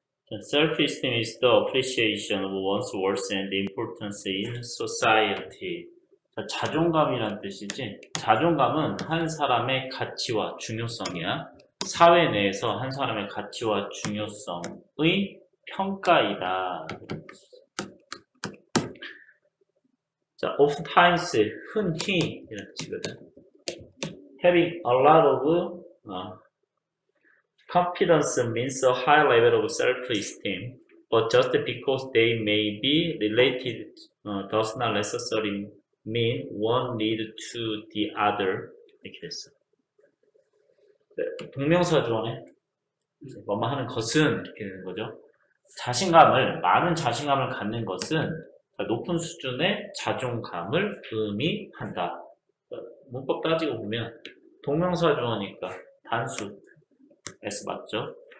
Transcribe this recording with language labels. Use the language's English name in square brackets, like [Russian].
[English] The self-esteem is the appreciation of one's worth and importance in society. [Korean] 자존감이란 뜻이지. 자존감은 한 사람의 가치와 중요성이야. 사회 내에서 한 사람의 가치와 중요성의 평가이다. 자, oftentimes, 흔히, 이런 뜻이거든. [English] Having a lot of, confidence means a high level of self-esteem, but just because they may be related, does not necessarily mean one lead to the other. [Korean] 이렇게 됐어. 동명사조원에 뭐뭐 하는 것은 이렇게 되는 거죠. 자신감을, 많은 자신감을 갖는 것은 높은 수준의 자존감을 의미한다. 문법 따지고 보면 동명사조어니까 단수 S 맞죠?